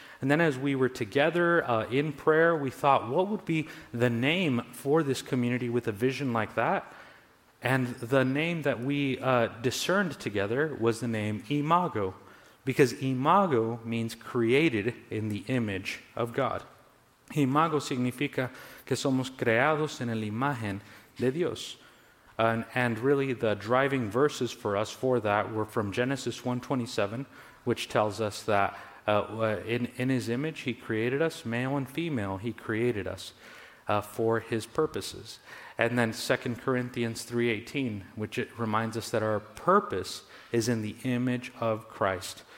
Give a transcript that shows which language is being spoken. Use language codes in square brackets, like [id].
[en] And then as we were together in prayer, we thought, what would be the name for this community with a vision like that? And the name that we discerned together was the name Imago, because Imago means created in the image of God. [es] Imago significa que somos creados en la imagen de Dios. [en] And really the driving verses for us for that were from Genesis 1:27, which tells us that in his image he created us, male and female he created us for his purposes. And then 2 Corinthians 3:18, which it reminds us that our purpose is in the image of Christ.